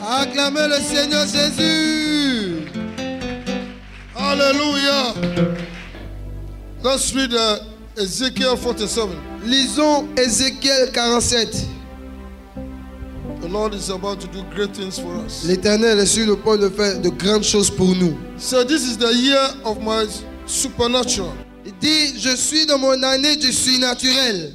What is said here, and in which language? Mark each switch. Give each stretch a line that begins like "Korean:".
French: Acclamez le Seigneur Jésus.
English: Alléluia. Let's read Ezekiel 47.
French: Lisons Ezekiel 47.
English: The Lord is about to do great things for us.
French: L'Éternel est sur le point de faire de grandes choses pour nous.
English: So this is the year of my supernatural.
French: Il dit, je suis dans mon année du surnaturel.